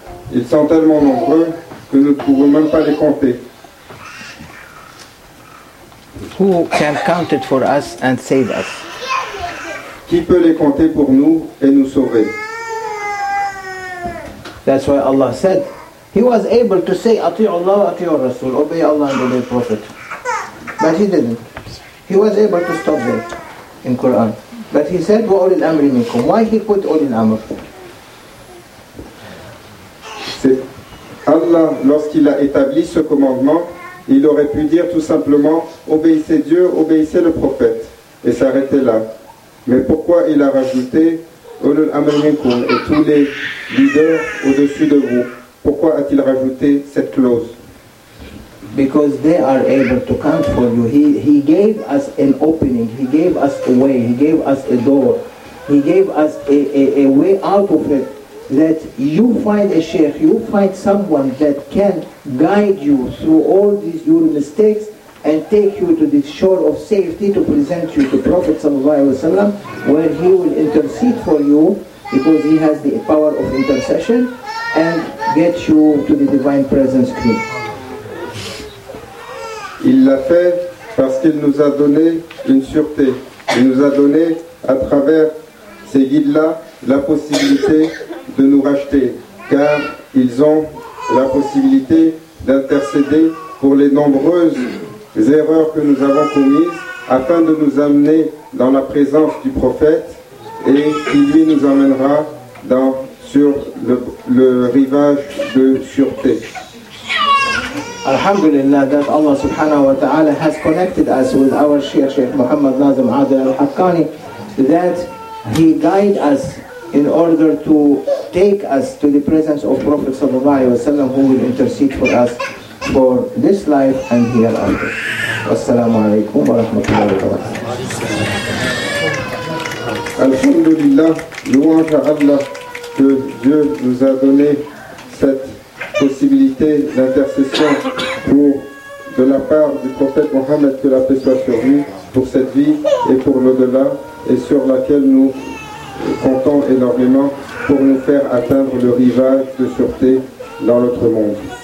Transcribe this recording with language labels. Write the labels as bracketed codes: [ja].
[fr] Ils sont tellement nombreux que nous ne pouvons même pas les compter. [en] Who can count it for us and save us? [fr] Qui peut les compter pour nous et nous sauver? [en] That's why Allah said He was able to say, [ar] Ati Allah, Ati Rasul, [en] obey Allah and obey Prophet. But he didn't. He was able to stop there in Quran. But he said, [ar] Wa ulil amri minkum. [en] Why he put ulil amr? [fr] C'est Allah, lorsqu'il a établi ce commandement, il aurait pu dire tout simplement, obéissez Dieu, obéissez le Prophète, et s'arrêter là. Mais pourquoi il a rajouté, [ar] ulil amri minkum, [fr] et tous les leaders au-dessus de vous? Pourquoi a-t-il rajouté cette clause? [en] Because they are able to count for you. He gave us an opening. He gave us a way. He gave us a door. He gave us a way out of it. That you find a sheikh, you find someone that can guide you through all these your mistakes and take you to the shore of safety to present you to Prophet ﷺ, where he will intercede for you because he has the power of intercession and get you to the divine presence quickly. [fr] Il l'a fait parce qu'il nous a donné une sûreté. Il nous a donné, à travers ces guides-là, la possibilité de nous racheter, car ils ont la possibilité d'intercéder pour les nombreuses erreurs que nous avons commises, afin de nous amener dans la présence du prophète, et qui lui nous amènera sur le rivage de sûreté. [en] Alhamdulillah that Allah [ar] subhanahu wa ta'ala [en] has connected us with our Sheikh, Sheikh Muhammad Nazim Adil al-Haqqani, that he guide us in order to take us to the presence of Prophet [ar] sallallahu alayhi wa sallam, [en] who will intercede for us for this life and hereafter. [ar] Wassalamu alaikum wa rahmatullahi wa barakatuh. [fr] Alhamdulillah, louange à Allah que Dieu nous a donné cette possibilité d'intercession pour, de la part du prophète Mohammed, que la paix soit sur lui, pour cette vie et pour l'au-delà, et sur laquelle nous comptons énormément pour nous faire atteindre le rivage de sûreté dans l'autre monde.